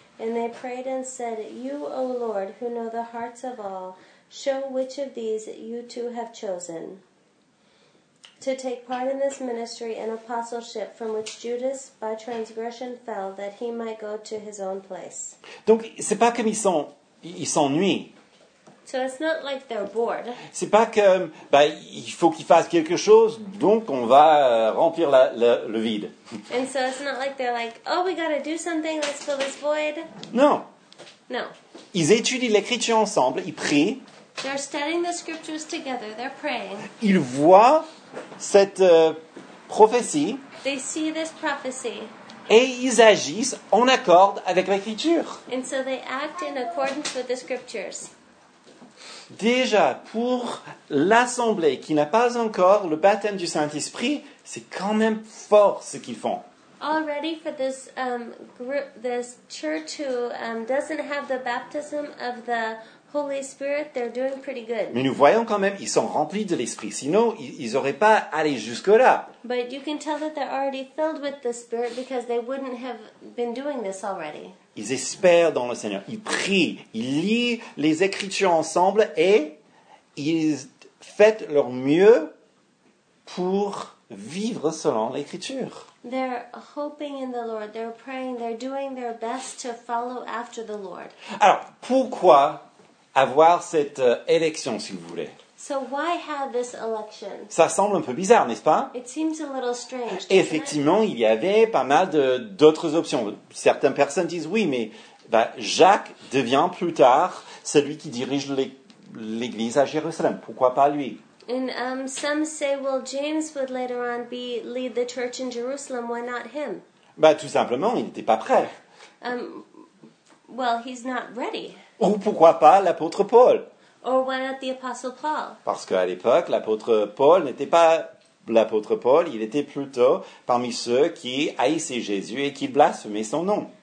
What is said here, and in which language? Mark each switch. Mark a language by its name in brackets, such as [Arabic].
[English] And they prayed and said, You, O Lord, who know the hearts of all, show which of these you two have chosen to take part in this ministry and apostleship from which Judas by transgression fell, that he might go to his own place. [French] Donc, c'est pas comme ils s'ennuient. [English] So it's not like they're bored. [French] C'est pas comme, bah, il faut qu'ils fassent quelque chose, donc on va remplir le vide. [English] And so it's not like they're like, oh, we gotta do something, let's fill this void. [French] Non. [English] No. [French] Ils étudient l'écriture ensemble, ils prient. [English] They're studying the scriptures together, they're praying. [French] Ils voient cette prophétie. [English] They see this prophecy. [French] Et ils agissent en accord avec l'écriture. [English] And so they act in accordance with the scriptures. [French] Déjà, pour l'assemblée qui n'a pas encore le baptême du Saint-Esprit, c'est quand même fort ce qu'ils font. [English] Already for this group, this church who doesn't have the baptism of the Holy Spirit, they're doing pretty good. [French] Mais nous voyons quand même, ils sont remplis de l'Esprit. Sinon, ils n'auraient pas allé jusque-là. [English] But you can tell that they're already filled with the Spirit because they wouldn't have been doing this already. [French] Ils espèrent dans le Seigneur. Ils prient, ils lisent les Écritures ensemble et ils font leur mieux pour vivre selon l'Écriture. [English] They're hoping in the Lord. They're praying. They're doing their best to follow after the Lord. [French] Alors, pourquoi avoir cette élection, si vous voulez? [English] So why have this election? [French] Ça semble un peu bizarre, n'est-ce pas? [English] It seems a little strange. [French] Effectivement, [English] it? [French] Il y avait pas mal d'autres options. Certaines personnes disent oui, mais bah, Jacques devient plus tard celui qui dirige l'église à Jérusalem. Pourquoi pas lui? [English] And some say, well, James would later on lead the church in Jerusalem. Why not him? [French] Bah, tout simplement, il n'était pas prêt. [English] He's not ready. [French] Ou pourquoi pas l'apôtre Paul? [English] Or why not the apostle Paul? [French] Parce qu'à l'époque, l'apôtre Paul n'était pas l'apôtre Paul. Il était plutôt parmi ceux qui haïssaient Jésus et qui blasphémaient son nom.